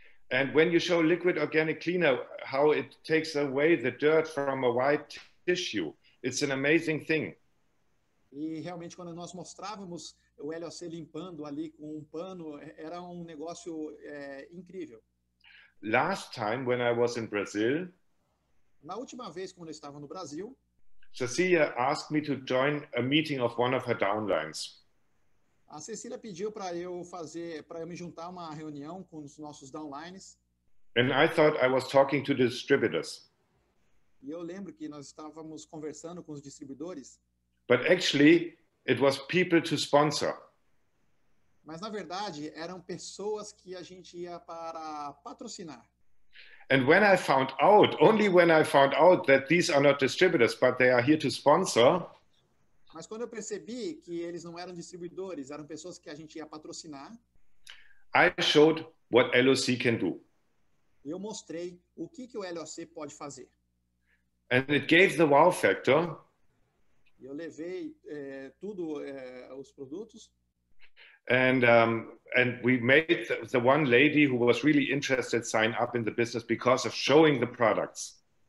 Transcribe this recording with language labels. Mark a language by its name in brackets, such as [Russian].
[English] And when you show Liquid Organic Cleaner, how it takes away the dirt from a white tissue, it's an amazing thing. [Portuguese] E realmente quando nós mostrávamos o LOC limpando ali com um pano, era um negócio incrível. [English] Last time when I was in Brazil, [Portuguese] na última vez quando eu estava no Brasil, [English] Cecilia asked me to join a meeting of one of her downlines. [Portuguese] A Cecília pediu para eu me juntar a uma reunião com os nossos downlines. [English] And I thought I was talking to the distributors. [Portuguese] E eu lembro que nós estávamos conversando com os distribuidores. [English] But actually, it was people to sponsor. [Portuguese] Mas na verdade, eram pessoas que a gente ia para patrocinar. [English] And when I found out, only when I found out that these are not distributors, but they are here to sponsor. [Portuguese] Mas quando eu percebi que eles não eram distribuidores, eram pessoas que a gente ia patrocinar. [English] I showed what LOC can do. [Portuguese] Eu mostrei o que o LOC pode fazer. [English] And it gave the wow factor. [Portuguese] Eu levei tudo os produtos. [English] And we made the one lady who was really interested sign up in the business because of showing the products.